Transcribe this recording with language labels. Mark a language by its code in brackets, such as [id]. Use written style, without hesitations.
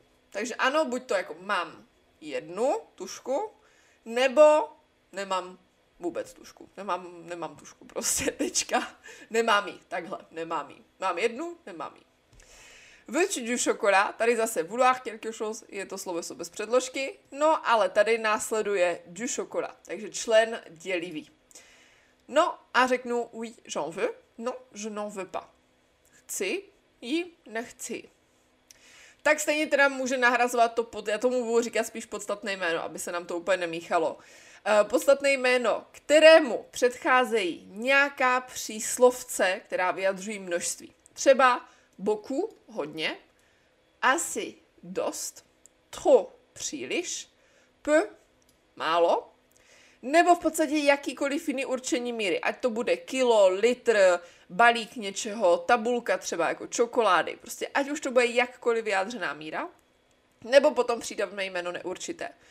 [cs] Takže ano, buď to jako mám jednu tušku, nebo nemám vůbec tušku, nemám tušku prostě, tečka, nemám ji, takhle, nemám ji, mám jednu, nemám ji. [fr] Veux-tu du chocolat, [cs] tady zase [fr] vouloir quelque chose, [cs] je to sloveso bez předložky, no ale tady následuje [fr] du chocolat, [cs] takže člen dělivý. No a řeknu [fr] oui, j'en veux, non, je n'en veux pas. [cs] Chci, ji, nechci. Tak stejně teda může nahrazovat to, já tomu budu říkat spíš podstatné jméno, aby se nám to úplně nemíchalo. Podstatné jméno, kterému předcházejí nějaká příslovce, která vyjadřují množství. Třeba beaucoup, hodně, asi, dost, trop, příliš, peu, málo, nebo v podstatě jakýkoliv jiný určení míry, ať to bude kilo, litr, balík něčeho, tabulka třeba jako čokolády, prostě ať už to bude jakkoliv vyjádřená míra, nebo potom přídavné jméno neurčité.